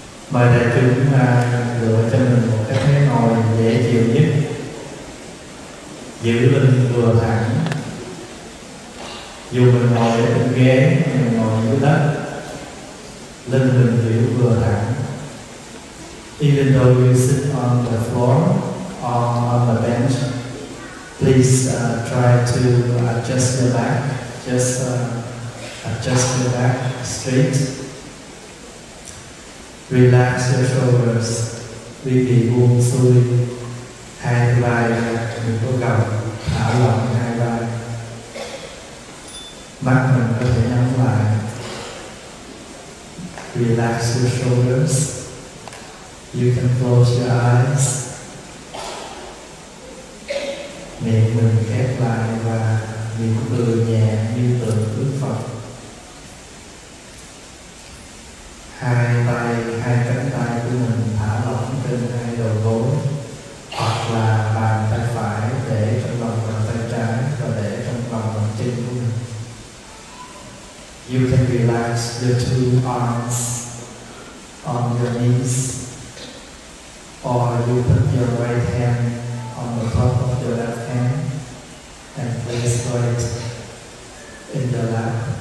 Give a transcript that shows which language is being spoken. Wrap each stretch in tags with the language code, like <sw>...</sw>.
<vi>Mời đại chúng lựa cho mình một cái ghế ngồi dễ chịu nhất, giữ lưng vừa thẳng. Dù mình ngồi ở ghế hay ngồi dưới đất, lưng mình giữ vừa thẳng.</vi> <en>Even though you sit on the floor or on the bench, please try to adjust your back. Just adjust your back straight. Relax your shoulders.</en> <vi>Quý vị buông xuôi hai vai, mình có gặp thả lỏng hai vai. Mắt mình có thể nhắm lại.</vi> <en>Relax your shoulders. You can close your eyes.</en> <vi>Miệng mình khép lại và mỉm cười nhẹ như tượng Đức Phật. Hai tay, hai cánh tay của mình thả lỏng trên hai đầu gối hoặc là bàn tay phải để trong lòng bàn tay trái và để trong lòng bàn chân của mình.</vi> <en>You can relax the two arms on your knees, or you put your right hand on the top of your left hand and place right in the lap.</en>